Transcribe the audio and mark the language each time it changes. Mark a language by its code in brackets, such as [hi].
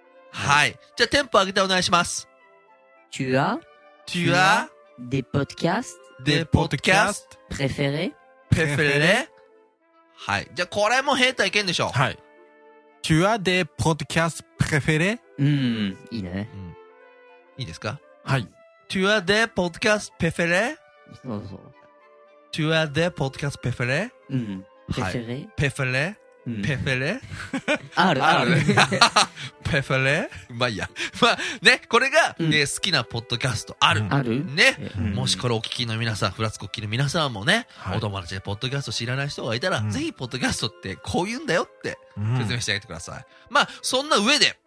[ja] はい、じゃあテンポ上げてお願いします。 [fr] Tu as des podcasts préférés。 [ja] はい、じゃあこれも平たいけんでしょう。 [fr] はい、 Tu as des podcasts préférés。 [ja] うん、いいね、うん、いいですか。はい、 [fr] Tu as des podcasts préférés。 [ja] そうそう、 [fr] Tu as des podcasts préférés。 [ja] うん、 préférés、はい、ペフェレ、うん、あるある。ペフェレ、まあいいや。まあね、これが、うん、ね、好きなポッドキャストある、うん、あるね、うん、もしこれお聞きの皆さん、フラツコッキーの皆さんもね、はい、お友達でポッドキャスト知らない人がいたら、うん、ぜひポッドキャストってこういうんだよって説明してあげてください、うん、まあそんな上で、